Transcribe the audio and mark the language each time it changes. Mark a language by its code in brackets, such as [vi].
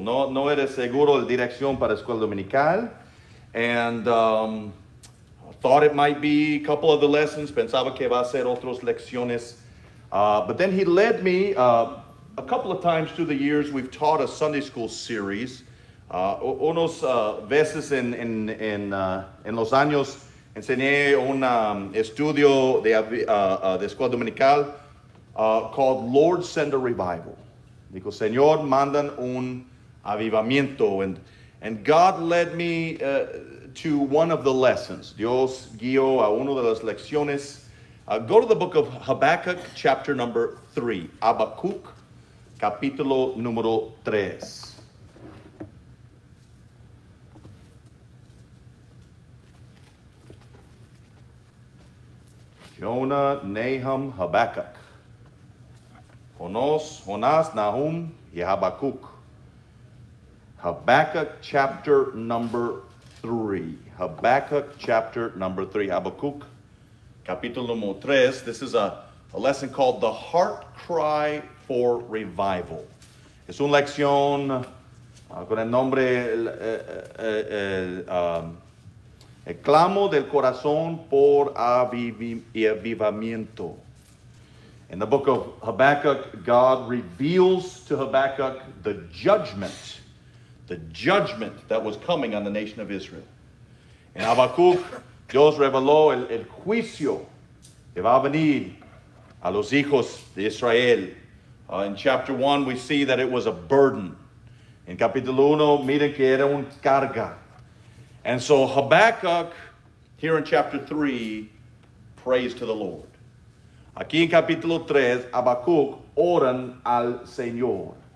[es] No era seguro la dirección para escuela dominical. [en] And thought it might be a couple of the lessons. [es] Pensaba que va a ser otras lecciones. [en] But then he led me a couple of times through the years. We've taught a Sunday school series. [es] Unos veces en los años enseñé un estudio de escuela dominical called Lord Send a Revival. Dijo, Señor, mandan un avivamiento. [en] And God led me to one of the lessons. [es] Dios guió a uno de las lecciones. [en] Go to the book of Habakkuk, chapter number 3. [es] Habakkuk, capítulo número 3. Jonah, Nahum, Habakkuk. Jonas, Nahum, y Habakkuk. [en] Habakkuk, chapter number 3. Habakkuk chapter number 3. [es] Habakkuk capítulo número 3. [en] This is a lesson called The Heart Cry for Revival. [es] Es una lección con el nombre el clamo del corazón por avivamiento. [en] In the book of Habakkuk, God reveals to Habakkuk the judgment that was coming on the nation of Israel. [es] En Habakkuk, Dios reveló el juicio que va a venir a los hijos de Israel. [en] In chapter 1, we see that it was a burden. [es] En capítulo 1, miren que era un carga. [en] And so Habakkuk, here in chapter 3, prays to the Lord. [es] Aquí en capítulo 3, Habakkuk oran al Señor.